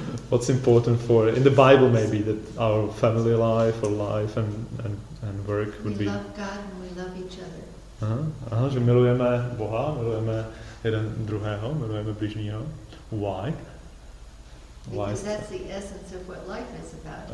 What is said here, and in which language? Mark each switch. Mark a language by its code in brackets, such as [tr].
[en] What's important for, in the Bible maybe, that our family life or life and work would be... We love God and we love each other. [cs] Aha, že milujeme Boha, milujeme jeden druhého, milujeme blížního. [en] Why? Why? Because that's the essence of what life is about.